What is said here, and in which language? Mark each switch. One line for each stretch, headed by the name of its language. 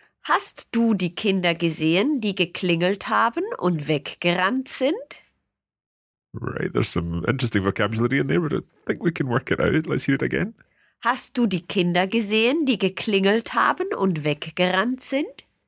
German: Hast du die Kinder gesehen, die geklingelt haben und weggerannt sind?
English: Right, there's some interesting vocabulary in there, but I think we can work it out. Let's hear it again.
German: Hast du die Kinder gesehen, die geklingelt haben und weggerannt sind?